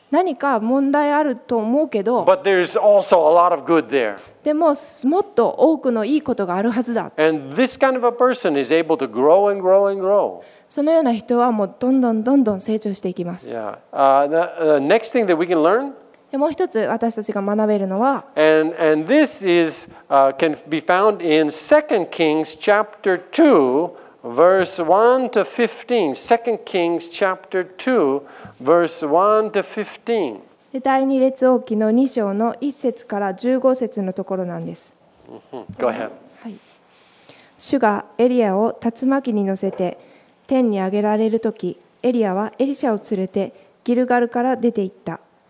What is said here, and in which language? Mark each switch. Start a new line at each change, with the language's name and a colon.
Japanese: 何か問題あると思うけど。
English: But there's also a lot of good there.
Japanese: でも、もっと多くのいいことがあるはずだ。
English: And this kind of a person is able to grow and grow and grow.
Japanese: そのような人はもうどんどんどんどん成長していきます。
English: Yeah. The next thing that we can learn.
Japanese: でもう一つ私たちが学べるのは、
English: and this is, can be found in 2 Kings chapter 2, verse 1 to 15. 2 Kings chapter 2, verse 1 to 15.
Japanese: 第二列王記の2章の1節から15節のところなんです。
English: Go ahead.
Japanese: 主がエリアを竜巻に乗せて天に上げられるとき、エリアはエリシャを連れてギルガルから出て行った。